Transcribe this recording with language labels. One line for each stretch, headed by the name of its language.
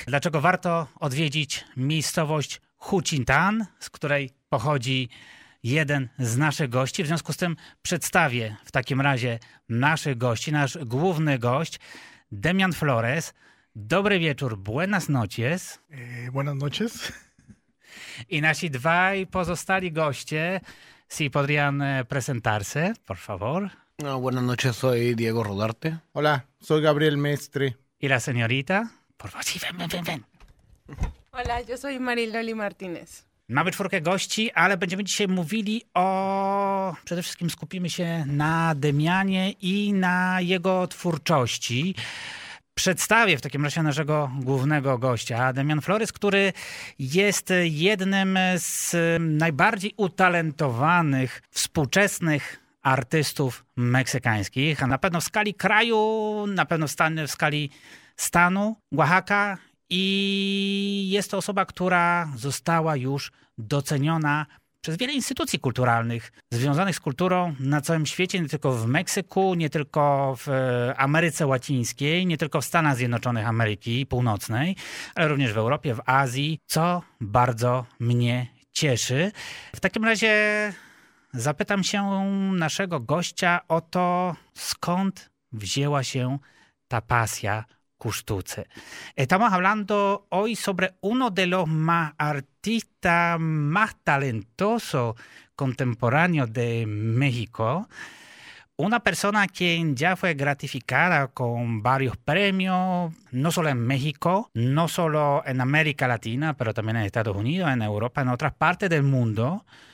Polish: Dlaczego warto odwiedzić miejscowość Huchitán, z której pochodzi jeden z naszych gości. W związku z tym przedstawię w takim razie naszych gości. Nasz główny gość, Demian Flores. Dobry wieczór,
Spanish: buenas noches. Buenas noches.
Polish: I nasi dwaj pozostali goście.
Spanish: Si podrían presentarse, por favor. No, buenas noches, soy Diego Rodarte. Hola, soy Gabriel Mestre. Y la señorita, por favor, sí, ven. Hola, yo soy Mariloli Martínez.
Polish: Mamy czwórkę gości, ale będziemy dzisiaj mówili o... Przede wszystkim skupimy się na Demianie i na jego twórczości. Przedstawię w takim razie naszego głównego gościa, Demian Flores, który jest jednym z najbardziej utalentowanych współczesnych artystów meksykańskich. A na pewno w skali kraju, na pewno w skali stanu Oaxaca. I jest to osoba, która została już doceniona przez wiele instytucji kulturalnych związanych z kulturą na całym świecie, nie tylko w Meksyku, nie tylko w Ameryce Łacińskiej, nie tylko w Stanach Zjednoczonych Ameryki Północnej, ale również w Europie, w Azji, co bardzo mnie cieszy. W takim razie zapytam się naszego gościa o to, skąd wzięła się ta pasja ku sztuce.
Spanish: Estamos hablando hoy sobre uno de los más artistas más talentosos contemporáneos de México. Una persona quien ya fue gratificada con varios premios, no solo en México, no solo en América Latina, pero también en Estados Unidos, en Europa, en otras partes del mundo.